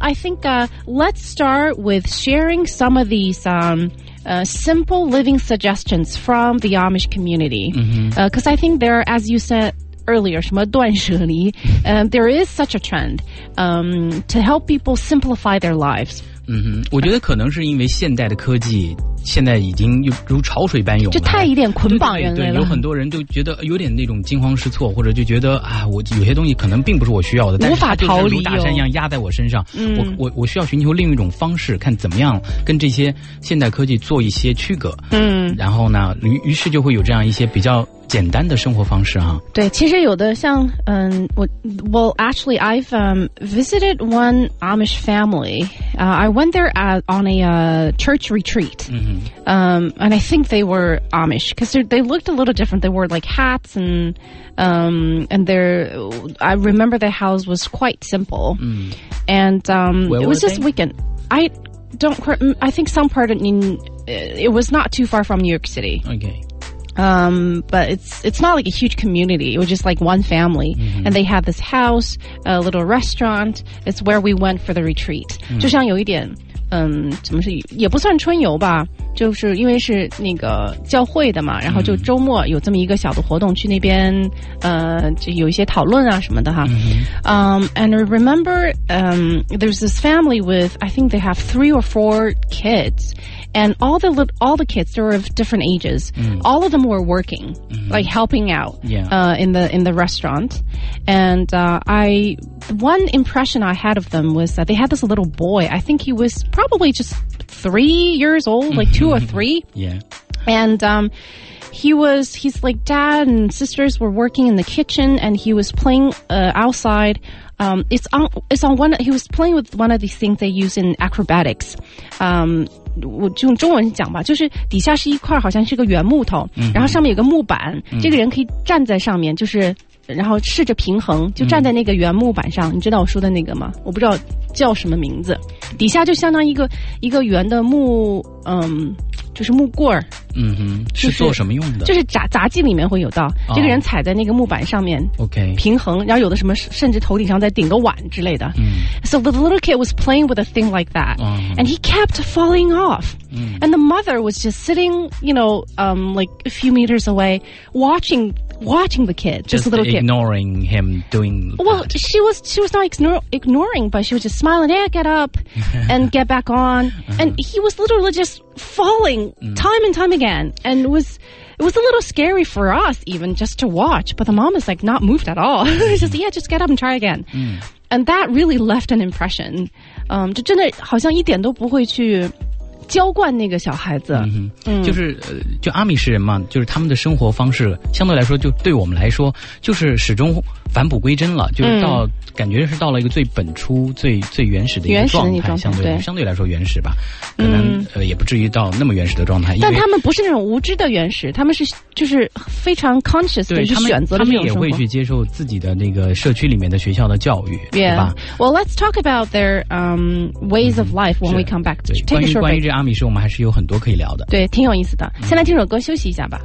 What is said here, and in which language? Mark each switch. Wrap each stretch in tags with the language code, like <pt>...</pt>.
<en>I think, let's start with sharing some of these, simple living suggestions from the Amish community. Because I think there, as you said,earlier,</en> <zh>什么断舍离,</zh> <en>there is such a trend, to help people simplify their lives.</en> <zh>我觉得可能是因为现代的科技现在已经如潮水般涌了，就太一点捆绑人类了。对，有很多人就觉得有点那种惊慌失措，或者就觉得啊，我有些东西可能并不是我需要的，无法逃离，如大山一样压在我身上。我需要寻求另一种方式，看怎么样跟这些现代科技做一些区隔。然后呢，于是就会有这样一些比较简单的生活方式啊。对，其实有的像</zh> <en>I've visited one Amish family. I went there on a church retreat. And I think they were Amish because they looked a little different. They wore like hats and their, I remember the house was quite simple. Where it was just a weekend. I think some part of it was not too far from New York City. Okay. But it's not like a huge community. It was just like one family. Mm-hmm. And they had this house, a little restaurant. It's where we went for the retreat.</en> <zh>就像有一点怎么是也不算春游吧，就是因为是那个教会的嘛，然后就周末有这么一个小的活动，去那边就有一些讨论啊什么的哈。</zh> <en>And I remember there's this family with I think they have 3 or 4 kids, and all the kids they were of different ages. All of them were working, like helping out in the restaurant. And one impression I had of them was that they had this little boy. I think he was probably just 3 years old, like 2 or 3. Yeah. And he's like dad and sisters were working in the kitchen and he was playing outside. He was playing with one of these things they use in acrobatics.</en> <zh>我就用中文讲吧，就是底下是一块好像是个圆木头，然后上面有个木板，这个人可以站在上面，就是然后试着平衡，就站在那个圆木板上，你知道我说的那个吗？我不知道叫什么名字，底下就相当于一个圆的木，就是木棍儿，是做什么用的？就是杂技里面会有到、这个人踩在那个木板上面</zh> <en>，OK，</en> <zh>平衡，然后有的什么甚至头顶上再顶个碗之类的。</zh> <en>So the little kid was playing with a thing like that,、and he kept falling off.、And the mother was just sitting, you know, like a few meters away, watching the kid, just a little kid, ignoring him doing. Well, she was not ignoring, but she was just smiling. Yeah, get up and get back on, and he was literally just falling time and time again, and it was a little scary for us even just to watch. But the mom is like not moved at all. She says, "Yeah, just get up and try again." And that really left an impression.</en> <zh>就真的好像一点都不会去浇灌那个小孩子。就阿米什人嘛，就是他们的生活方式相对来说，就对我们来说就是始终返璞归真了，就是到感觉是到了一个最本初最原始的一个状态，相对来说原始吧，可能也不至于到那么原始的状态。但他们不是那种无知的原始，他们是就是非常 conscious 的去选择了，他们也会去接受自己的那个社区里面的学校的教育，对吧？</zh> <en>Well, let's talk about their ways of life when we come back.</en> <zh>关于这阿米什，我们还是有很多可以聊的，对，挺有意思的。先来听首歌休息一下吧。</zh>